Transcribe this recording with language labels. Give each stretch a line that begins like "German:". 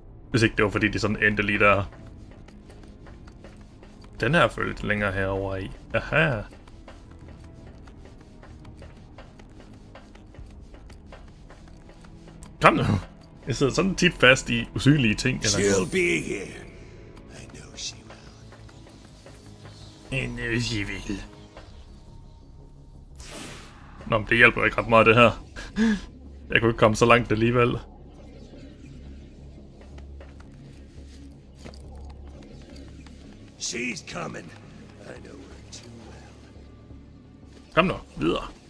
Danish: Hvis ikke det var fordi de sådan endte lige der. Den her følte lidt længere herover i. Aha. Kom nu. Jeg sidder sådan tit fast i usynlige ting eller noget.
English: She'll be here. I know she will. I know she will.
Danish: Nå, men det hjælper ikke ret meget, det her. Jeg kunne ikke komme så langt alligevel.
English: She's coming. I know her too well.
Danish: Kom nu, videre.